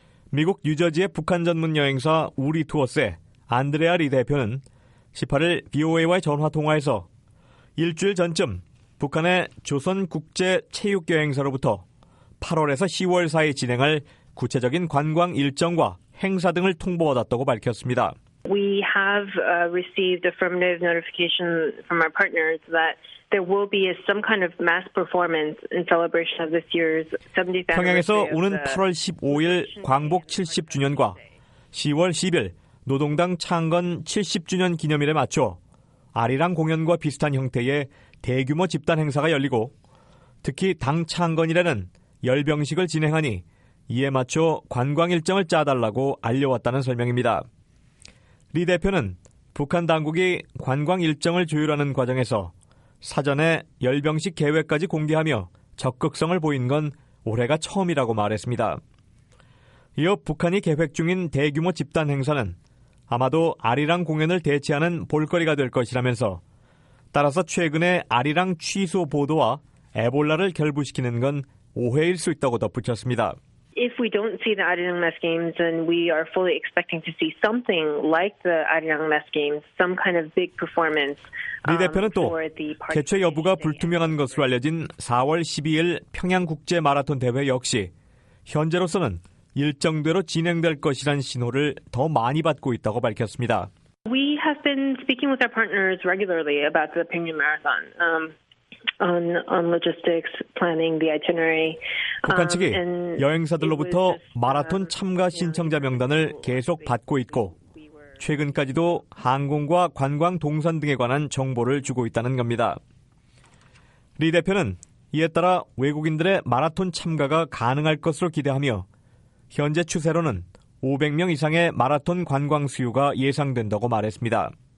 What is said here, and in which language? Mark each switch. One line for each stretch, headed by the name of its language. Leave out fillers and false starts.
Korean: 미국 뉴저지의 북한 전문 여행사 우리 투어스의 안드레아 리 대표는 18일 BOA와의 전화통화에서 일주일 전쯤 북한의 조선국제체육여행사로부터 8월에서 10월 사이 진행할 구체적인 관광 일정과 행사 등을 통보받았다고 밝혔습니다.
English: We have received affirmative notification from our partners that there will be some kind of mass performance in celebration of this year's 70th.
Korean: 평양에서 오는 8월 15일 광복 70주년과 10월 10일 노동당 창건 70주년 기념일에 맞춰 아리랑 공연과 비슷한 형태의 대규모 집단 행사가 열리고 특히 당 창건일에는 열병식을 진행하니 이에 맞춰 관광 일정을 짜달라고 알려왔다는 설명입니다. 리 대표는 북한 당국이 관광 일정을 조율하는 과정에서 사전에 열병식 계획까지 공개하며 적극성을 보인 건 올해가 처음이라고 말했습니다. 이어 북한이 계획 중인 대규모 집단 행사는 아마도 아리랑 공연을 대체하는 볼거리가 될 것이라면서 따라서 최근에 아리랑 취소 보도와 에볼라를 결부시키는 건 오해일 수 있다고 덧붙였습니다.
English: if we don't see the Arirang Mess Games, then we are fully expecting to see something like the Arirang Mess Games, some kind of big performance.
Korean: 미 대표는 또 개최 여부가 불투명한 것으로 알려진 4월 12일 평양 국제 마라톤 대회 역시 현재로서는 일정대로 진행될 것이란 신호를 더 많이 받고 있다고 밝혔습니다.
English: We have been speaking with our partners regularly about the Pyeongchang Marathon. On logistics, planning the itinerary.
Korean: 북한 측이 여행사들로부터 마라톤 참가 신청자 명단을 계속 받고 있고 최근까지도 항공과 관광 동선 등에 관한 정보를 주고 있다는 겁니다. 리 대표는 이에 따라 외국인들의 마라톤 참가가 가능할 것으로 기대하며 현재 추세로는 500명 이상의 마라톤 관광 수요가 예상된다고 말했습니다.